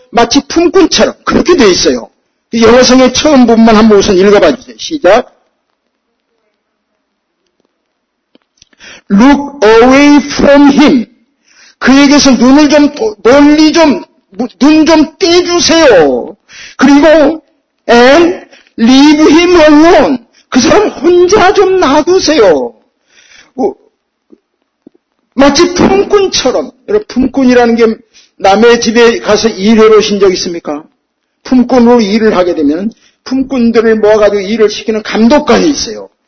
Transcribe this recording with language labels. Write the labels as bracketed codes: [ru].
[ko] 마치 품꾼처럼. 그렇게 되어 있어요. 영어 성경 처음 부분만 한번 우선 읽어봐 주세요. 시작. [en] Look away from him. [ko] 그에게서 눈을 좀 멀리 좀 눈 좀 떼주세요. 그리고 [en] and leave him alone. [ko] 그 사람 혼자 좀 놔두세요. 마치 품꾼처럼. 여러분, 품꾼이라는 게 남의 집에 가서 일을 오신 적 있습니까? 품꾼으로 일을 하게 되면 품꾼들을 모아가지고 일을 시키는 감독관이 있어요.